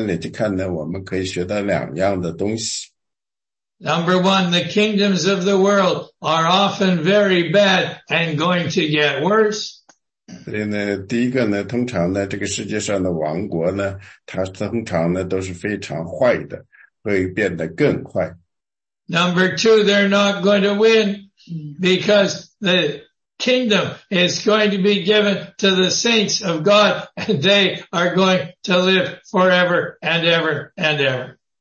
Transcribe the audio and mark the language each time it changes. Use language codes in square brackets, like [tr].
[zh] 这个呢，异象呢和梦境呢，在但以理呢是非常的真实的。从但以理的那个观点去看呢，是令他震惊的。从我们的观点去看呢，我们可以学到两样的东西。 [en] Number one, the kingdoms of the world are often very bad and going to get worse. [zh] 所以呢，第一个呢，通常呢，这个世界上的王国呢，它通常呢都是非常坏的，会变得更坏。 [en] Number two, they're not going to win because the kingdom is going to be given to the saints of God and they are going to live forever and ever and ever.